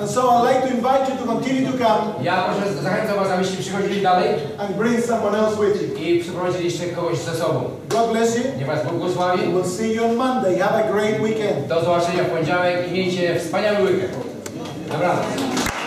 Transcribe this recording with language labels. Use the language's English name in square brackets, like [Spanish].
[English] And so I'd like to invite you to continue to come. [Polish] Ja proszę zachęcam was, abyście przychodzili dalej. [English] And bring someone else with you. [Polish] I przyprowadzili jeszcze kogoś ze sobą. [English] God bless you. [Polish] Niech was Bóg błogosławi. [English] We'll see you on Monday. Have a great weekend. [Polish] Do zobaczenia w poniedziałek i miejcie wspaniały weekend. Dobranoc.